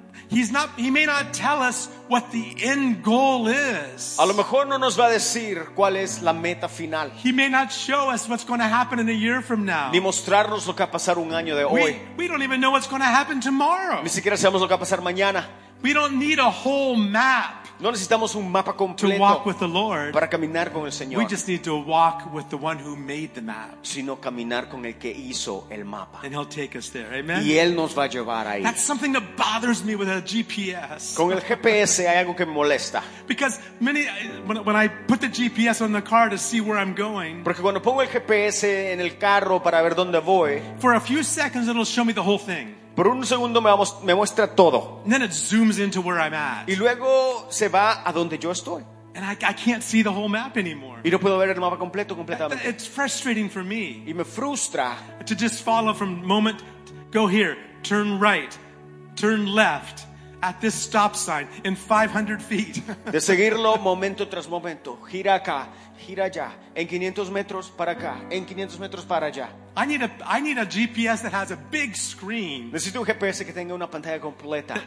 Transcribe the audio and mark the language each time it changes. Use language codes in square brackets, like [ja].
[en] He may not tell us what the end goal is. [es] A lo mejor no nos va a decir cuál es la meta final. [en] He may not show us what's going to happen in a year from now. [es] Ni mostrarnos lo que va a pasar un año de hoy. [en] We don't even know what's going to happen tomorrow. [es] Ni siquiera sabemos lo que va a pasar mañana. [en] We don't need a whole map. [es] No necesitamos un mapa completo [en] to walk with the Lord. [es] Para caminar con el Señor. [en] We just need to walk with the one who made the map. [es] Sino caminar con el que hizo el mapa. [en] And he'll take us there. Amen. [es] Y él nos va a llevar ahí. [en] That's something that bothers me with a GPS. [es] Con el GPS hay algo que me molesta. [en] Because many when I put the GPS on the car to see where I'm going. [es] Porque cuando pongo el GPS en el carro para ver dónde voy. [en] For a few seconds it'll show me the whole thing. [es] Por un segundo me muestra todo. [en] And then it zooms into where I'm at. [es] Y luego se va a donde yo estoy. [en] And I can't see the whole map anymore. [es] Y no puedo ver el mapa completo, completamente. [en] It's frustrating for me. [es] Y me frustra. [en] To just follow from moment, go here, turn right, turn left, at this stop sign, in 500 feet. [es] De seguirlo momento tras momento, gira acá, gira allá, en 500 metros para acá, en 500 metros para allá. [en] I need a GPS that has a big screen. [es] Necesito un GPS que tenga una pantalla completa.